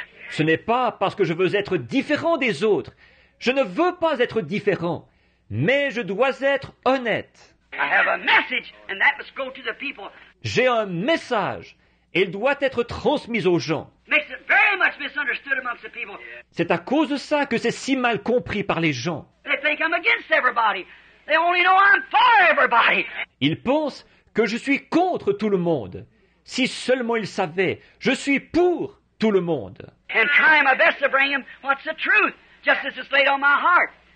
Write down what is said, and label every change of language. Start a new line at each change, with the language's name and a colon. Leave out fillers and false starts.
French: Ce n'est pas parce que je veux être différent des autres. Je ne veux pas être différent. Mais je dois être honnête.
English: I have a message, and that must go to the people.
French: J'ai un message. Il doit être transmis aux gens.
English: Makes it very much misunderstood amongst the people.
French: C'est à cause de ça que c'est si mal compris par les gens.
English: They think I'm against everybody. They only know I'm for everybody.
French: Ils pensent que je suis contre tout le monde. Si seulement ils savaient, je suis pour tout le monde.
English: And try my best to bring them what's the truth, just as it's laid on my heart.